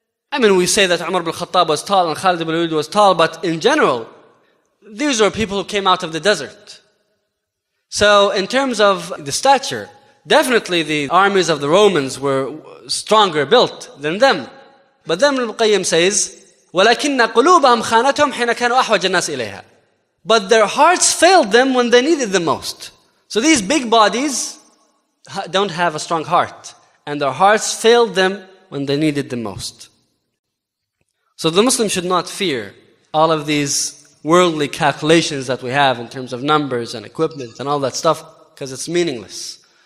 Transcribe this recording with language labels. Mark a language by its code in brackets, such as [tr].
[en] I mean, we say that Umar ibn Khattab was tall and Khalid ibn Walid was tall, but in general, these are people who came out of the desert. So in terms of the stature, definitely the armies of the Romans were stronger built than them. But then Ibn al-Qayyim says, [ar] وَلَكِنَّ قُلُوبَهُمْ خَانَتُهُمْ حِنَ كَانُوا أَحْوَجَ النَّاسِ إِلَيْهَا. [en] But their hearts failed them when they needed the most. So these big bodies don't have a strong heart, and their hearts failed them when they needed the most. So the Muslim should not fear all of these worldly calculations that we have in terms of numbers and equipment and all that stuff, because it's meaningless.